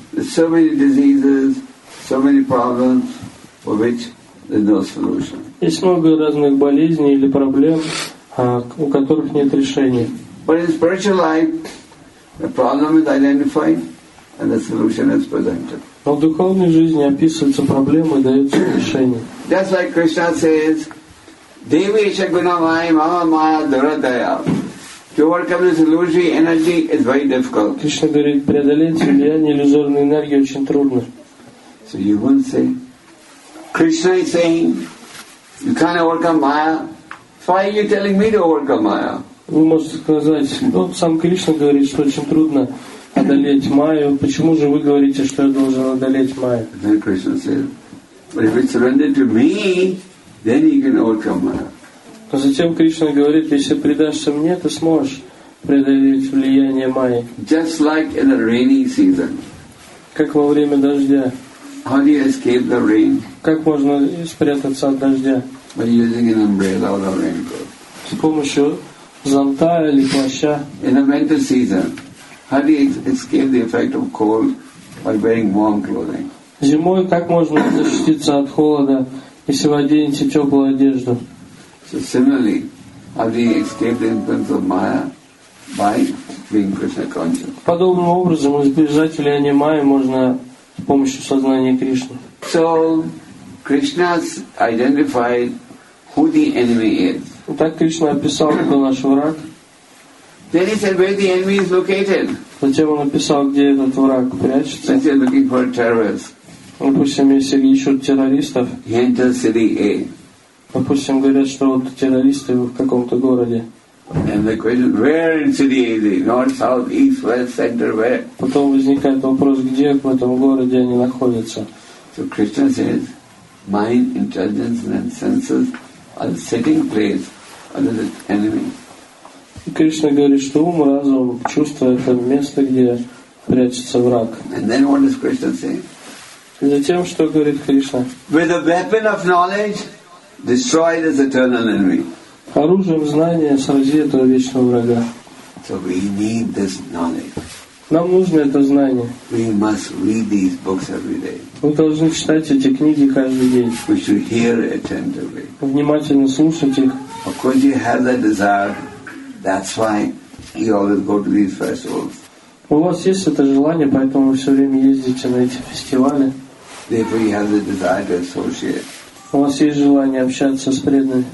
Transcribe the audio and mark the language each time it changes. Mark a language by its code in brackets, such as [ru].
[en] There's so many diseases, so many problems for which there's no solution. [ru] Есть много разных болезней или проблем, у которых нет решения. [en] But in spiritual life, the problem is identified and the solution is presented. [ru] Но в духовной жизни описываются проблемы и даются решения. [en] That's why Krishna says, [sa] Devesha Gunavai Mama Maya Duradaya. [en] To overcome this illusory energy is very difficult. [ru] Кришна говорит, преодолеть влияние иллюзорной энергии очень трудно. [en] So you won't say, Krishna is saying, you can't overcome Maya. Why are you telling me to overcome Maya? [ru] Вы можете сказать, ну, сам Кришна говорит, что очень трудно одолеть Майю. Почему же вы говорите, что я должен одолеть Майю? [en] Then Krishna says, if you surrender to me, then you can overcome Maya. [ru] Но затем Кришна говорит, если предашься мне, ты сможешь преодолеть влияние Майи. [en] Just like in a rainy season. [ru] Как во время дождя. [en] How do you escape the rain? [ru] Как можно спрятаться от дождя? [en] By using an umbrella or a raincoat. [ru] С помощью зонта или плаща. [en] In a winter season, how do you escape the effect of cold by wearing warm clothing? [ru] Зимой как можно защититься от холода, если вы оденете теплую одежду? [en] So similarly, how do you escape the influence of Maya by being Krishna conscious? [ru] Подобным образом избежать влияния Майи можно с помощью сознания Кришны. [en] So Krishna identified who the enemy is. [ru] Так Кришна описал, кто наш враг. [en] Then he said, where the enemy is located. [ru] Затем он описал, где этот враг прячется. [en] Since you're looking for terrorists. [ru] Допустим, если ищут террористов. [en] He enters city A. [ru] Допустим, говорят, что вот террористы в каком-то городе. [en] And the question, where in city A? North, south, east, west, center, where? [ru] Потом возникает вопрос, где в этом городе они находятся. [en] So Krishna says, mind, intelligence and senses are the sitting place of the enemy. [ru] И Кришна говорит, что ум, разум, чувство — это место, где прячется враг. [en] And then what does Krishna say? [ru] И затем что говорит Кришна? [en] With a weapon of knowledge, destroy this eternal enemy. [ru] Оружием знания срази этого вечного врага. [en] So we need this knowledge. [ru] Нам нужно это знание. [en] We must read these books every day. [ru] Мы должны читать эти книги каждый день. [en] We should hear attentively. [ru] Внимательно слушать их. [en] Of course you have that desire. That's why you always go to these festivals. [ru] У вас есть это желание, поэтому вы все время ездите на эти фестивали. [en] Therefore you have the desire to associate. [ru] У вас есть желание общаться с преданными.